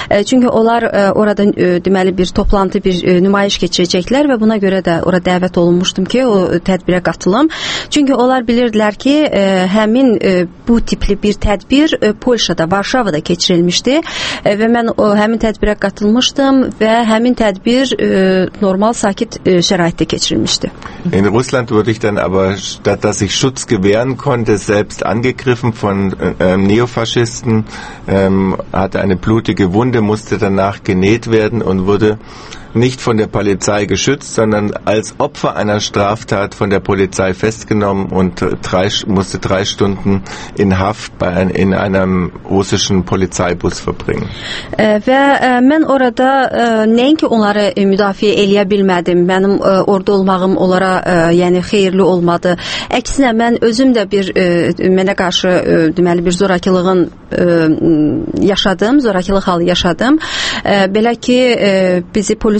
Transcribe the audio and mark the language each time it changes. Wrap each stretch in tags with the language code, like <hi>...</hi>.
<az>Çünki onlar orada deməli bir toplantı, bir nümayiş keçirəcəklər və buna görə də ora dəvət olunmuşdum ki, o tədbirə qatılım. Çünki onlar bilirdilər ki, həmin bu tipli bir tədbir Polşada, Varşavada keçirilmişdi və mən o həmin tədbirə qatılmışdım və həmin tədbir normal sakit şəraitdə keçirilmişdi.</az> <de>In Russland wurde ich dann aber, statt dass ich Schutz gewähren konnte, selbst angegriffen von Neofaschisten, hatte eine blutige Wunde, musste danach genäht werden und wurde nicht von der Polizei geschützt, sondern als Opfer einer Straftat von der Polizei festgenommen und musste 3 Stunden in Haft in einem russischen Polizeibus verbringen.</de> <az>Və mən orada nəinki onları müdafiə eləyə bilmədim. Mənim orada olmağım onlara yəni xeyirli olmadı. Əksinə mən özüm də bir mənə qarşı deməli bir zorakılığın yaşadım, zorakılıq halı yaşadım. Belə ki bizi polis</az>